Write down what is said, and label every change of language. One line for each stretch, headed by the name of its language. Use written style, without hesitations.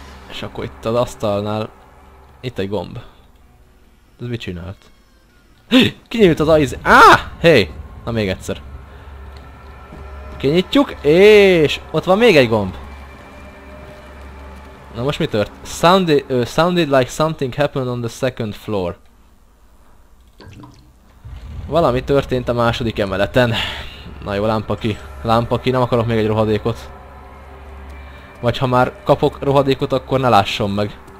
Hungarian: És akkor itt az asztalnál... Itt egy gomb. Ez mit csinált? Kinyílt az ajzé... Hey! Na még egyszer. Kinyitjuk, és ott van még egy gomb. Na most mi tört?
English: Sounded like something happened on the second floor.
Hungarian: Valami történt a második emeleten. Na jó, lámpa ki, nem akarok még egy rohadékot. Vagy ha már kapok rohadékot, akkor ne lássom meg.